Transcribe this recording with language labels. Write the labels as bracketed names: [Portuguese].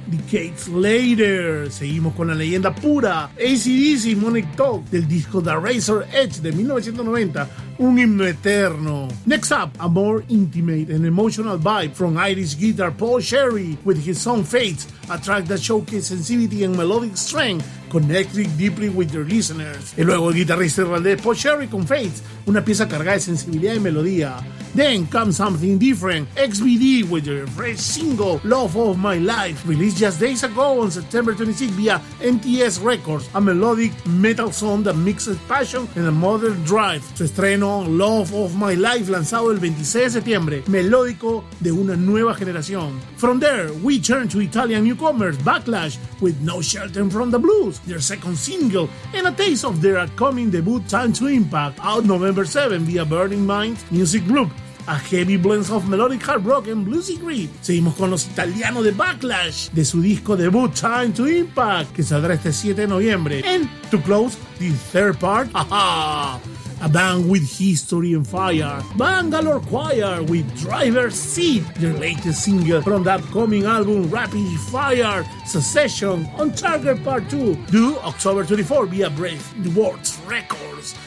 [English] Decades later, [Spanish] seguimos con la leyenda pura, AC/DC, Money Talk, del disco The Razor's Edge de 1990, un himno eterno. [English] Next up, a more intimate and emotional vibe from Irish guitar Paul Sherry with his song Fates, a track that showcases sensitivity and melodic strength, connecting deeply with their listeners. [Spanish] Y luego el guitarrista irlandés Paul Sherry con Fates, una pieza cargada de sensibilidad y melodía. [English] Then comes something different, XBD with their fresh single Love of My Life, released just days ago on September 26 via NTS Records, a melodic metal song that mixes passion and a modern drive. [Spanish] Su estreno Love of My Life, lanzado el 26 de septiembre, melódico de una nueva generación. [English] From there, we turn to Italian newcomers Backlash with No Shelter from the Blues, their second single, and a taste of their upcoming debut Time to Impact, out November 7 via Burning Mind Music Group, a heavy blend of melodic hard rock and bluesy grit. [Spanish] Seguimos con los italianos de Backlash, de su disco debut Time to Impact, que saldrá este 7 de noviembre. [English] And to close the third part, a band with history and fire, Bangalore Choir with Driver's Seat, their latest single from the upcoming album Rapid Fire Succession on Target Part 2, due October 24 via Brave Words Records.